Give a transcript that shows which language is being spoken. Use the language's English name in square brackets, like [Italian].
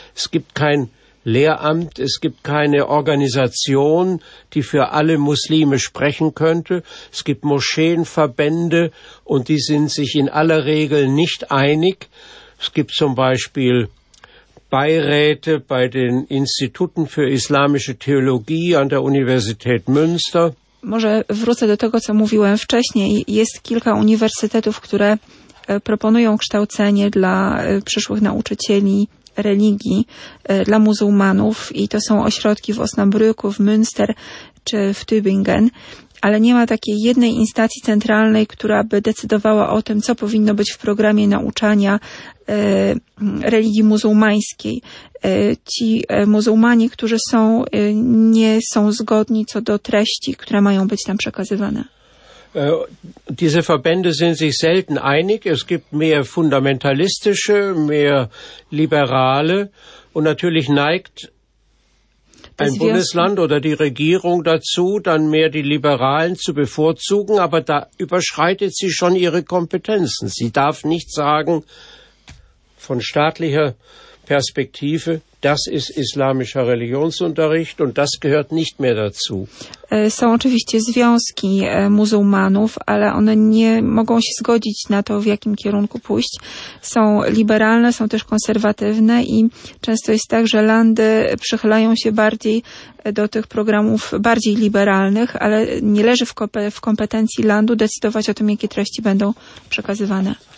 [German] Es gibt kein Lehramt, es gibt keine Organisation, die für alle Muslime sprechen könnte. Es gibt Moscheenverbände und die sind sich in aller Regel nicht einig. Es gibt zum Beispiel Beiräte bei den Instituten für islamische Theologie an der Universität Münster. [Polish] Może wrócę do tego, co mówiłem wcześniej. Jest kilka uniwersytetów, które proponują kształcenie dla przyszłych nauczycieli religii dla muzułmanów i to są ośrodki w Osnabrücku, w Münster czy w Tübingen, ale nie ma takiej jednej instancji centralnej, która by decydowała o tym, co powinno być w programie nauczania religii muzułmańskiej. Ci muzułmanie, którzy są, nie są zgodni co do treści, które mają być tam przekazywane. [German] Diese Verbände sind sich selten einig. Es gibt mehr fundamentalistische, mehr liberale. Und natürlich neigt ein Bundesland oder die Regierung dazu, dann mehr die Liberalen zu bevorzugen. Aber da überschreitet sie schon ihre Kompetenzen. Sie darf nicht sagen, von staatlicher Perspektive, das ist islamischer Religionsunterricht und das gehört nicht mehr dazu. [Polish] Są oczywiście związki muzułmanów, ale one nie mogą się zgodzić na to, w jakim kierunku pójść. Są liberalne, są też konserwatywne i często jest tak, że landy przychylają się bardziej do tych programów bardziej liberalnych, ale nie leży w kompetencji landu decydować o tym, jakie treści będą przekazywane.